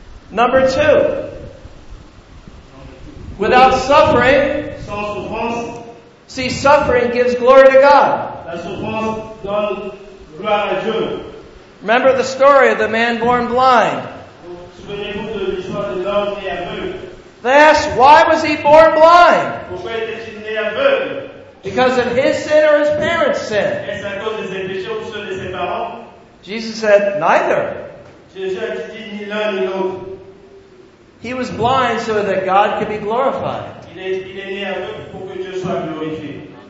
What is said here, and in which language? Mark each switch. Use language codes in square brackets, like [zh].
[en] Number two. Without suffering, [fr] sans souffrance, [en] see, suffering gives glory to God. [fr] La souffrance donne gloire à Dieu. [en] Remember the story of the man born blind. [fr] Souvenez-vous de l'histoire de l'homme né aveugle. [en] They asked, why was he born blind? [fr] Pourquoi était-il né aveugle? [en] Because of his sin or his parents' sin. [fr] Est-ce à cause de ses péchés ou ceux de ses parents? [en] Jesus said, neither. [fr] Jésus a dit ni l'un ni l'autre. [en] He was blind so that God could be glorified. [fr] Il est né aveugle pour que Dieu soit glorifié.